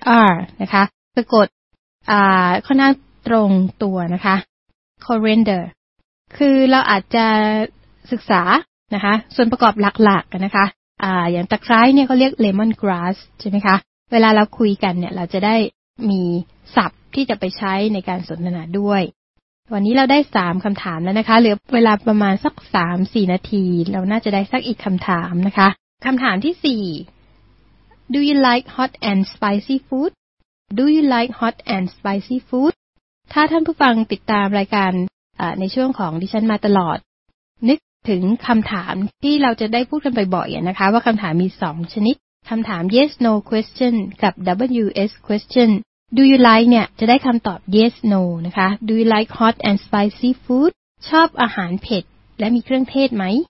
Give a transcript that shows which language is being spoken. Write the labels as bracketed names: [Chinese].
[Thai] r นะคะสะกดค่อนข้างตรงตัวนะคะ coriander คือเราอาจจะศึกษานะคะส่วนประกอบหลักๆกันนะคะอย่างตะไคร้เนี่ยเขาเรียก lemon grass ใช่ไหมคะเวลาเราคุยกันเนี่ยเราจะได้มีศัพท์ที่จะไปใช้ในการสนทนาด้วย วันนี้เราได้3คำถามแล้วนะคะเหลือเวลาประมาณสัก 3-4 นาทีเราน่าจะได้สักอีกคำถามนะคะคำถามที่4 [English] Do you like hot and spicy food? Do you like hot and spicy food? [Thai] ถ้าท่านผู้ฟังติดตามรายการในช่วงของดิฉันมาตลอดนึกถึงคำถามที่เราจะได้พูดกันบ่อยๆนะคะว่าคำถามมี2ชนิดคำถาม [English] yes no question [Thai] กับ ws questionDo you like เนี่ยจะได้คำตอบ yes no นะคะ [English] Do you like hot and spicy food [Thai] ชอบอาหารเผ็ดและมีเครื่องเทศไหม